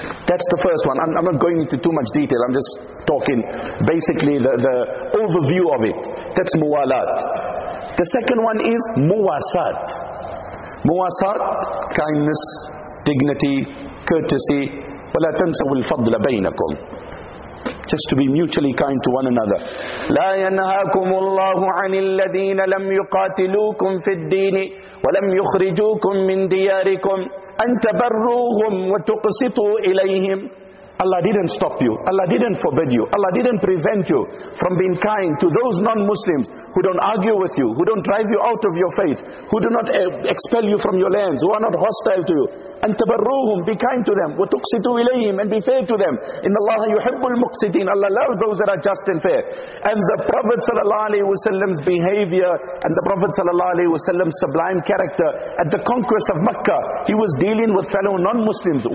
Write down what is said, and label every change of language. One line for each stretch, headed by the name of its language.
English: That's the first one. I'm not going into too much detail. I'm just talking basically the overview of it. That's muwalat. The second one is muwasat. Muwasat, kindness, dignity, courtesy.
Arabic: وَلَا تَنْسَوُ الْفَضْلَ بَيْنَكُمْ.
English: Just to be mutually kind to one another.
Arabic: لا ينهاكم الله عن الذين لم يقاتلوكم في الدين ولم يخرجوكم من دياركم أن تبروهم وتقسطوا إليهم.
English: Allah didn't stop you. Allah didn't forbid you. Allah didn't prevent you from being kind to those non-Muslims who don't argue with you, who don't drive you out of your faith, who do not expel you from your lands, who are not hostile to you. And tabarruhum, be kind to them.
Arabic: Wa tuqsitu ilayhim,
English: and be fair to them.
Arabic: Inna Allah yuhibbul muqsitin.
English: Allah loves those that are just and fair. And the Prophet sallallahu alaihi wasallam's behavior and the Prophet sallallahu alaihi wasallam's sublime character at the conquest of Makkah, he was dealing with fellow non-Muslims.